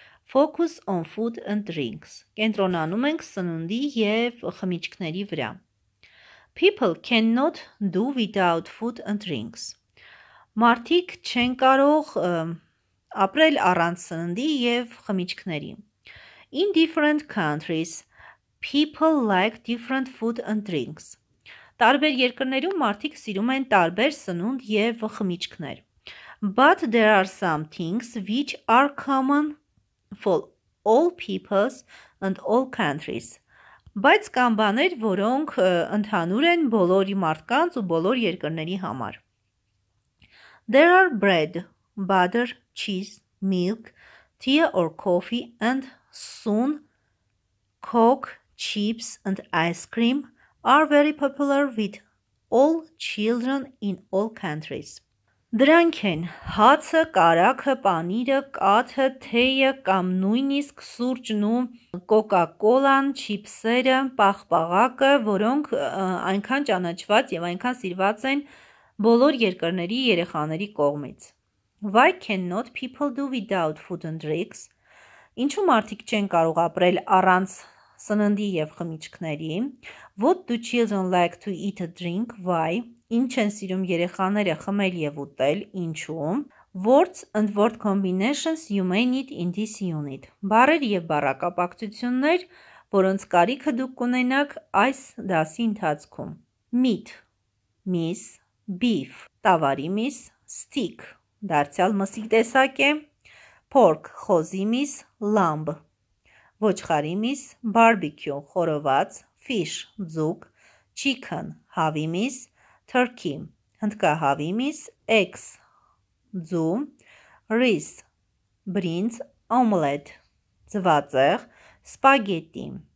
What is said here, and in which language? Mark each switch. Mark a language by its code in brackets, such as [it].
[en] Focus on food and drinks. [hy] Կենտրոնանում ենք սնունդի եւ խմիչքների վրա. [en] People cannot do without food and drinks. [hy] Մարդիկ չեն կարող ապրել առանց սննդի եւ խմիչքների. [en] In different countries, people like different food and drinks. [hy] Տարբեր երկրներում մարդիկ սիրում են տարբեր սնունդ եւ խմիչքներ. [en] But there are some things which are common for all peoples and all countries. [hy] Բայց կան բաներ, որոնք ընդհանուր են բոլոր մարդկանց ու բոլոր երկրների համար. [en] There are bread, butter, cheese, milk, tea or coffee and soon coke, chips and ice cream are very popular with all children in all countries. [hy] Դրանք են հացը, կարակը, պանիրը, կաթը, թեյը կամ նույնիսկ սուրճն ու կոկակոլան, չիպսերը, պաղպաղակը, որոնք այնքան ճանաչված եւ այնքան սիրված են բոլոր երկրների երեխաների կողմից. [en] Why cannot people do without food and drinks? [hy] Ինչու մարդիկ չեն կարող ապրել առանց սննդի եւ խմիչքների? [en] What do children like to eat and drink? Why? [hy] Ինչ են սիրում երեխաները խմել եւ ուտել, ինչու? [en] Words and word combinations you may need in this unit. [hy] Բառեր եւ բառակապակցություններ, որոնց կարիքը դուք կունենաք այս դասի ընթացքում. Meat, miss, beef, տավարի միս, steak, դարձյալ մսի տեսակ է, pork, խոզի միս, lamb, ոչխարի միս, barbecue, խորոված, fish, ձուկ, chicken, հավի միս, turkey, հնդկահավի միս, eggs, ձու, rice, բրինձ, omelette, ձվածեղ, spaghetti,